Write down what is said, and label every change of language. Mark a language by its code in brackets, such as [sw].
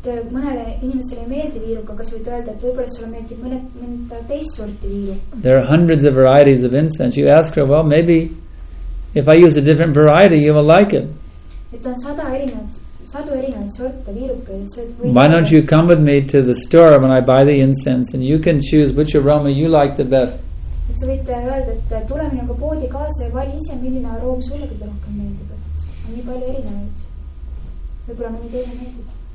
[et] Mõnele inimesele ei meeldi viiruk, aga sa võid öelda, et võibolla sulle meeldi mõnda teist sorti viiruk. [en] There are hundreds of varieties of incense. You ask her, well, maybe if I use a different variety, you will like it. [et] Et on sadu erinevad sorte viirukeid. [en] Why don't you come with me to the store when I buy the incense and you can choose which aroma you like the best. [et] Et sa võid öelda, et tule minuga poodi kaasa ja vali ise, milline aroom sulle kõige rohkem meeldib. On nii palju erinevad. Võibolla mõni teine meeldib.